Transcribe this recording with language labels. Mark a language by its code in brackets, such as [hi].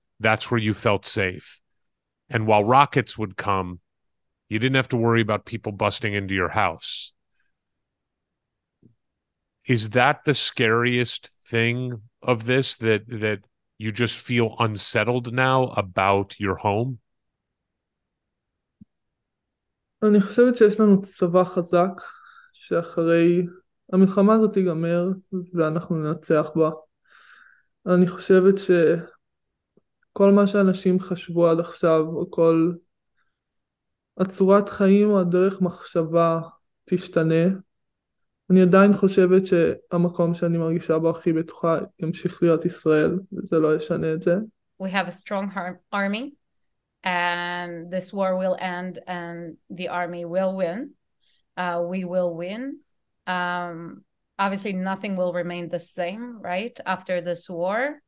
[en] That's where you felt safe. And while rockets would come, you didn't have to worry about people busting into your house. Is that the scariest thing of this, that that you just feel unsettled now about your home? [he] אני חושבת שיש לנו צבא חזק שאחרי המלחמה הזאת תיגמר ואנחנו ננצח בה. אני חושבת שכל מה שאנשים חשבו עד עכשיו, או כל הצורת חיים או הדרך מחשבה תשתנה. אני עדיין חושבת שהמקום שאני מרגישה בו הכי בטוחה ימשיך להיות ישראל, וזה לא ישנה את זה. [en] We have a strong army. And this war will end and the army will win. We will win. Obviously, nothing will remain the same, right, after this war.